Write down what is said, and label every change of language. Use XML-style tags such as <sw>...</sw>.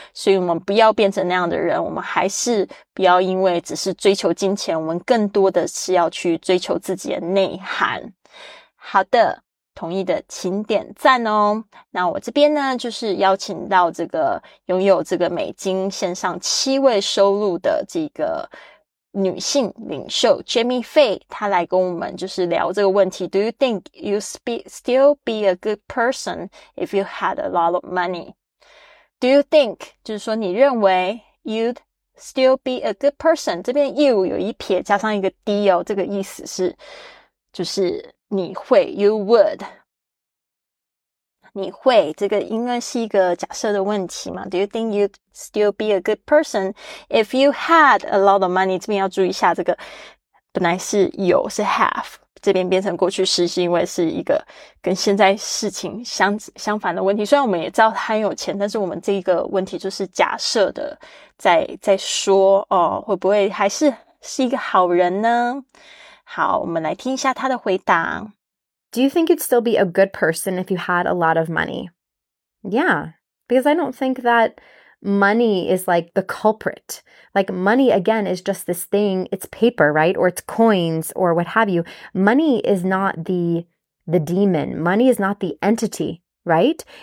<zh>所以我们不要变成那样的人，我们还是不要因为只是追求金钱，我们更多的是要去追求自己的内涵。好的，同意的请点赞哦。那我这边呢，就是邀请到这个拥有这个美金线上七位收入的这个女性领袖 Jamie Fay， 她来跟我们就是聊这个问题。</zh> <en>Do you think you still be a good person if you had a lot of money? Do you think</en> <zh>就是说你认为</zh> <en>you'd still be a good person？</en> <zh>这边 you 有一撇加上一个 d 哦，这个意思是就是。你会</zh> <en>，you would，</en> <zh>你会，这个应该是一个假设的问题嘛</zh> <en>？Do you think you'd still be a good person if you had a lot of money？</en> <zh>这边要注意一下，这个本来是有，是 have， 这边变成过去式，是因为是一个跟现在事情相反的问题。虽然我们也知道他很有钱，但是我们这个问题就是假设的，在说哦，会不会还是一个好人呢？好，我们来听一下他的回答。</zh> <en>Do you think you'd still be a good person if you had a lot of money? Yeah, because I don't think that money is like the culprit. Like money, again, is just this thing. It's paper, right? Or it's coins or what have you. Money is not the demon. Money is not the entity, right?</en>